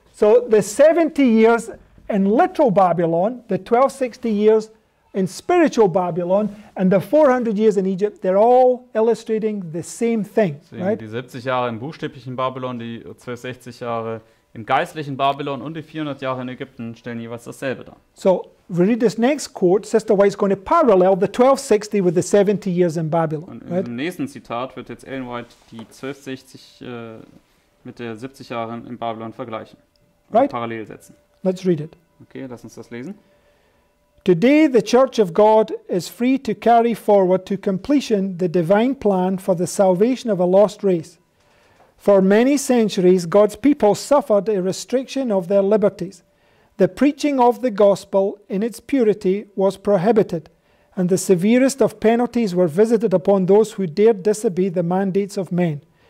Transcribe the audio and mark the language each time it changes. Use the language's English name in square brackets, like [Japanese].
[English] So the 70 years in literal Babylon, the 1260 years in spiritual Babylon, and the 400 years in Egypt, they're all illustrating the same thing, right? [German] Die 70 Jahre im buchstäblichen Babylon, die 1260 Jahre im geistlichen Babylon und die 400 Jahre in Ägypten stellen jeweils dasselbe dar. [English] So, we read this next quote, Sister White's going to parallel the 1260 with the 70 years in Babylon. [German] Und im nächsten Zitat wird jetzt Ellen White die 1260 mit der 70 Jahren in Babylon vergleichen. [English] Right? [German] Parallel setzen. [English] Let's read it. [German] Okay, lass uns das lesen. [English] Today the Church of God is free to carry forward to completion the divine plan for the salvation of a lost race. For many centuries, God's people suffered a restriction of their liberties. The preaching of the gospel in its purity was prohibited, and the severest of penalties were visited upon those who dared disobey the mandates of men.